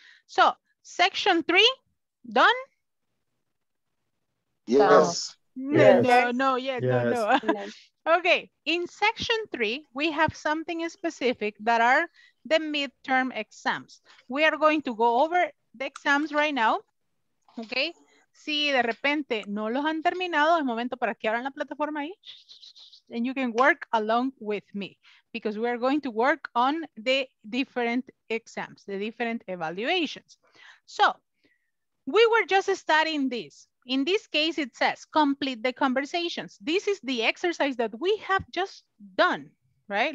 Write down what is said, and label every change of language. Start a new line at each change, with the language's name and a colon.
English: So, section three, done? Yes. No. Okay, in section three, we have something specific that are the midterm exams. We are going to go over the exams right now, okay?
Spanish: Si de repente no los han terminado, es momento para que abran la plataforma ahí.
English: And you can work along with me because we are going to work on the different exams, the different evaluations. So, we were just studying this. In this case, it says complete the conversations. This is the exercise that we have just done, right?